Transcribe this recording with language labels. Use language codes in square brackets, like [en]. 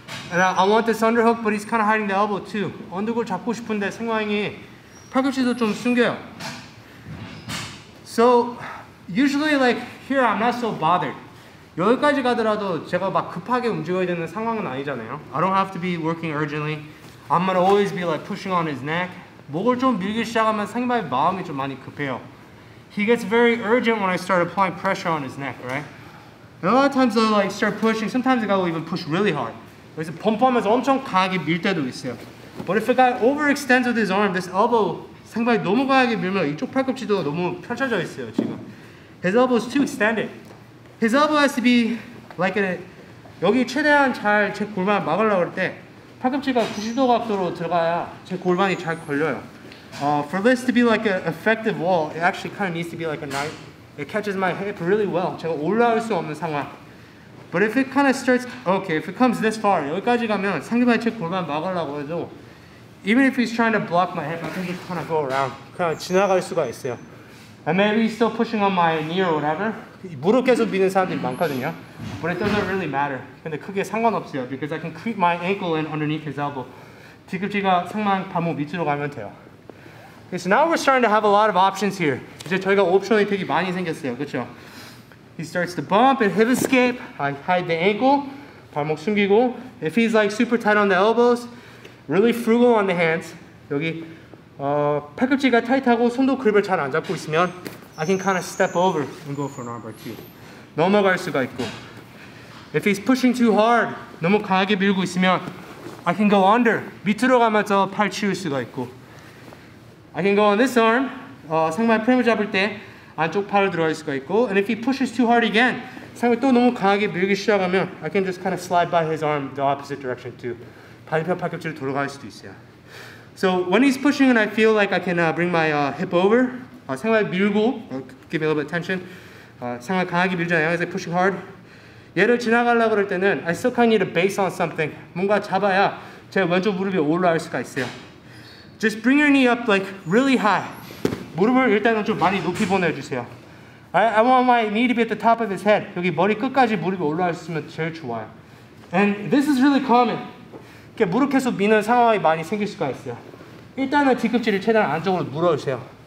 [en] And I want this underhook, but he's kind of hiding the elbow too. [ko] 언덕을 잡고 싶은데 생화형이 팔꿈치도 좀 숨겨요. [en] So usually like here I'm not so bothered. [ko] 여기까지 가더라도 제가 막 급하게 움직여야 되는 상황은 아니잖아요. [en] I don't have to be working urgently. I'm gonna always be like pushing on his neck. [ko] 목을 좀 밀기 시작하면 상대방의 마음이 좀 많이 급해요. [en] He gets very urgent when I start applying pressure on his neck, right? And a lot of times I'll like start pushing, sometimes a guy will even push really hard. [ko] 그래서 펌펌하면서 엄청 강하게 밀 때도 있어요. [en] But if a guy overextends with his arm, this elbow [ko] 상당히 너무 강하게 밀면 이쪽 팔꿈치도 너무 펼쳐져 있어요, 지금. [en] His elbow is too extended. His elbow has to be like a [ko] 여기 최대한 잘 제 골반 막으려고 할 때 팔꿈치가 90도 각도로 들어가야 제 골반이 잘 걸려요. [en] For this to be like an effective wall, it actually kind of needs to be like a knife. It catches my hip really well. [ko] 제가 올라올 수 없는 상황. [en] But if it kind of starts, okay, if it comes this far, [ko] 여기까지 가면 상대방이 제 골반 막으려고 해도 [en] even if he's trying to block my hip, I can just kind of go around. [ko] 그냥 지나갈 수가 있어요. [en] And maybe he's still pushing on my knee or whatever. [ko] 무릎 계속 미는 사람들이 많거든요. [en] But it doesn't really matter. [ko] 근데 크게 상관없어요. [en] Because I can creep my ankle in underneath his elbow. [ko] 뒤꿈치가 상대방 발목 밑으로 가면 돼요. [en] Okay, so now we're starting to have a lot of options here. [ko] 이제 저희가 옵션이 되게 많이 생겼어요, 그렇죠? [en] He starts to bump and hip escape. I hide the ankle, [ko] 발목 숨기고. [en] If he's like super tight on the elbows, really frugal on the hands. [ko] 여기 팔꿈치가 타이트하고 손도 그립을 잘 안 잡고 있으면 [en] I can kind of step over and go for an armbar too. [ko] 넘어갈 수가 있고. [en] If he's pushing too hard, [ko] 너무 강하게 밀고 있으면 [en] I can go under, [ko] 밑으로 가면서 팔 치울 수가 있고. [en] I can go on this arm, [ko] 상대방 프레임을 잡을 때 안쪽 팔을 들어갈 수가 있고 [en] and if he pushes too hard again, [ko] 상대방 또 너무 강하게 밀기 시작하면 [en] I can just kind of slide by his arm the opposite direction too. [ko] 반대편 팔꿈치를 돌아갈 수도 있어요. [en] So when he's pushing and I feel like I can bring my hip over, [ko] 상대방 밀고, [en] give me a little bit of tension, [ko] 상대방 강하게 밀잖아요, [en] he's like pushing hard. [ko] 얘를 지나가려고 그럴 때는 [en] I still kind of need a base on something. [ko] 뭔가 잡아야 제 왼쪽 무릎이 올라갈 수가 있어요. [en] Just bring your knee up like really high. [ko] 무릎을 일단은 좀 많이 높이 보내주세요. [en] I want my knee to be at the top of his head. [ko] 여기 머리 끝까지 무릎이 올라와 있으면 제일 좋아요. [en] And this is really common. [ko] 이렇게 무릎 계속 미는 상황이 많이 생길 수가 있어요. 일단은 뒤꿈치를 최대한 안쪽으로 물어주세요.